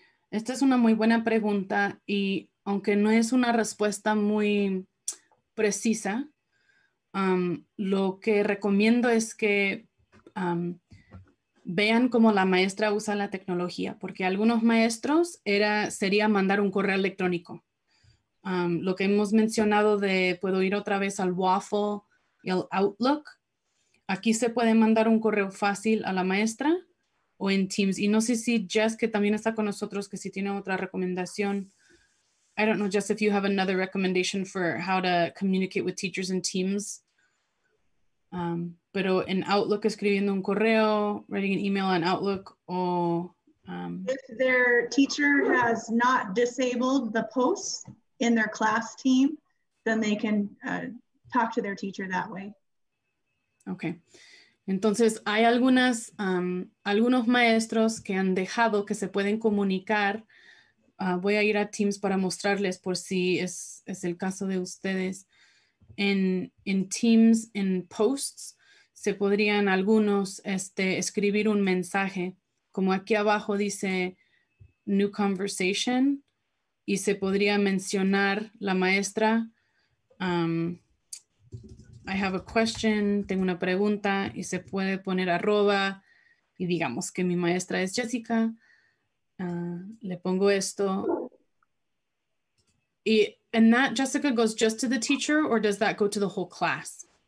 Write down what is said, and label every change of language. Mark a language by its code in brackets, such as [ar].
[es] Esta es una muy buena pregunta y aunque no es una respuesta muy precisa, lo que recomiendo es que vean cómo la maestra usa la tecnología, porque algunos maestros sería mandar un correo electrónico. Lo que hemos mencionado de puedo ir otra vez al Waffle y al Outlook. Aquí se puede mandar un correo fácil a la maestra o en Teams. Y no sé si Jess, que también está con nosotros, que si tiene otra recomendación. [en] I don't know, Jess, if you have another recommendation for how to communicate with teachers in Teams. [es] Pero en Outlook, escribiendo un correo, [en] writing an email in Outlook, [es] o... [en] If their teacher has not disabled the posts in their class team, then they can talk to their teacher that way. Okay. [es] Entonces, hay algunos maestros que han dejado que se pueden comunicar. Voy a ir a Teams para mostrarles por si es el caso de ustedes. En Teams, en posts, se podrían algunos escribir un mensaje. Como aquí abajo dice New Conversation, y se podría mencionar la maestra. [en] I have a question, [es] tengo una pregunta, y se puede poner @, y digamos que mi maestra es Jessica, le pongo esto, [en] And that, Jessica, goes just to the teacher, or does that go to the whole class?